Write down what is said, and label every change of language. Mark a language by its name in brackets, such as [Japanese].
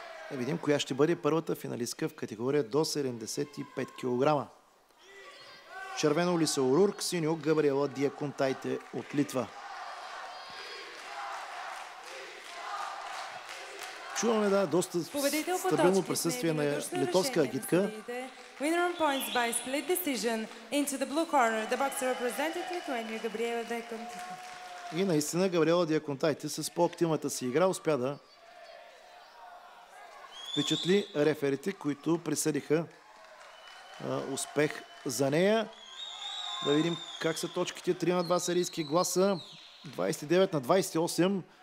[Bulgarian] Да видим коя ще бъде първата финалистка в категория до 75 кг. Червено Лиса Урург, синьо Габриела Диакунтайте от Литва. Чуваме, да, доста стабилно присъствие на литовска агитка. [English] Winner on points by split decision into the blue corner. The boxer represented Lithuania, Габриела Диакунтайте. [Bulgarian] И наистина Габриела Диакунтайте с по-активната си игра успя да впечатли реферите, които присъдиха успех за нея. Да видим как са точките. 3 на 2 сарийски гласа. 29 на 28.